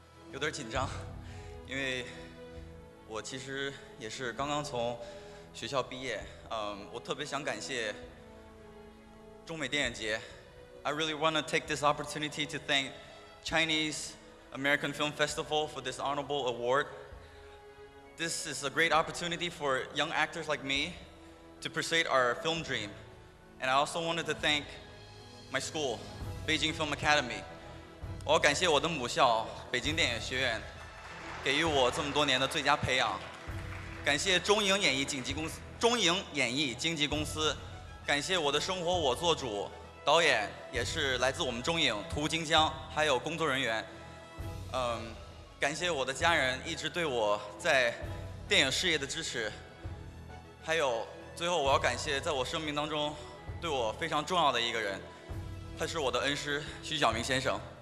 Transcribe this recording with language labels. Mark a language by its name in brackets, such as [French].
[Chinese] 有点紧张，因为我其实也是刚刚从学校毕业。我特别想感谢中美电影节。 [English] I really want to take this opportunity to thank Chinese American Film Festival for this honorable award. This is a great opportunity for young actors like me to pursue our film dream. And I also wanted to thank my school, Beijing Film Academy. [Chinese] 我感谢我的母校北京电影学院给予我这么多年的最佳培养，感谢中影演艺经纪公司，中影演艺经纪公司，感谢我的生活我做主导演，也是来自我们中影涂京江，还有工作人员，感谢我的家人一直对我在电影事业的支持，还有最后我要感谢在我生命当中对我非常重要的一个人，他是我的恩师徐小明先生。